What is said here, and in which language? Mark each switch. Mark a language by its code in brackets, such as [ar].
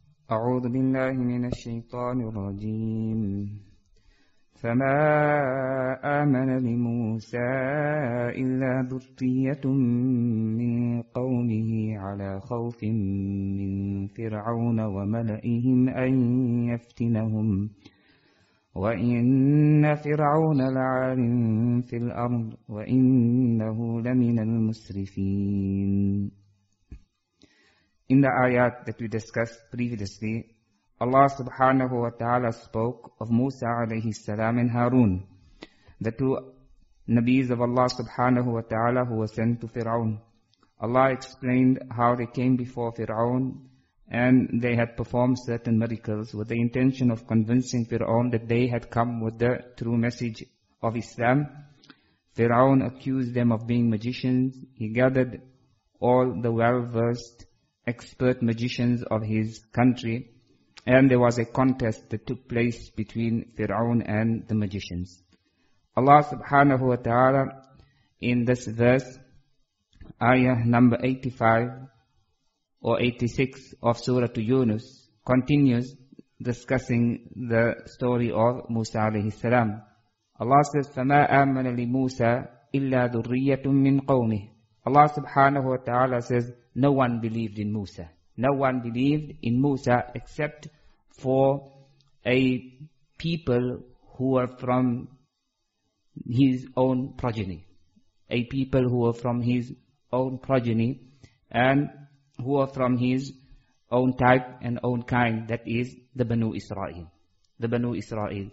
[ar] أعوذ بالله من الشيطان الرجيم. فما آمن لموسى إلا ذرية من قومه على خوف من فرعون وملئهم أن يفتنهم وإن فرعون لعال في الأرض وإنه لمن المسرفين. [en] In the ayat that we discussed previously, Allah subhanahu wa ta'ala spoke of Musa alayhi salam and Harun, the two nabis of Allah subhanahu wa ta'ala who were sent to Fir'aun. Allah explained how they came before Fir'aun and they had performed certain miracles with the intention of convincing Fir'aun that they had come with the true message of Islam. Fir'aun accused them of being magicians. He gathered all the well-versed expert magicians of his country, and there was a contest that took place between Fir'aun and the magicians. Allah subhanahu wa ta'ala in this verse, ayah number 85 or 86 of Surah Yunus, continues discussing the story of Musa alayhi salam. Allah says, [ar] فَمَا آمَنَ لِمُوسَى إِلَّا ذُرِّيَّةٌ مِّنْ قَوْمِهِ. [en] Allah subhanahu wa ta'ala says, no one believed in Musa. No one believed in Musa except for a people who were from his own progeny. A people who were from his own progeny and who were from his own type and own kind, that is the Banu Israel. The Banu Israel.